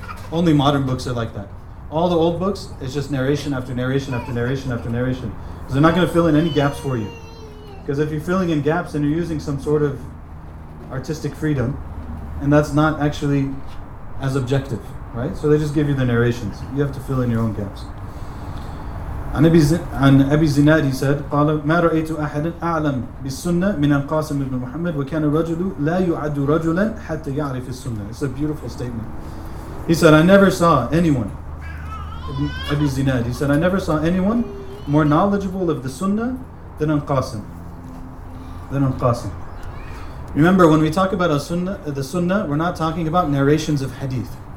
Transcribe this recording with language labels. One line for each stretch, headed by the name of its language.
English: Only modern books are like that. All the old books, it's just narration after narration after narration after narration. Because they're not going to fill in any gaps for you. Because if you're filling in gaps and you're using some sort of artistic freedom, and that's not actually as objective, right? So they just give you the narrations. You have to fill in your own gaps.
Arabic: عن أبي زناد
English: said
Arabic: قال ما رأيت أحدا أعلم بالسنة من القاسم بن محمد وكان الرجل لا يعد رجلا حتى يعرف السنة.
English: It's a beautiful statement. He said, I never saw anyone. Abi Zinad, he said, I never saw anyone more knowledgeable of the Sunnah than al-Qasim. Than al-Qasim. Remember, when we talk about the Sunnah, we're not talking about narrations of hadith.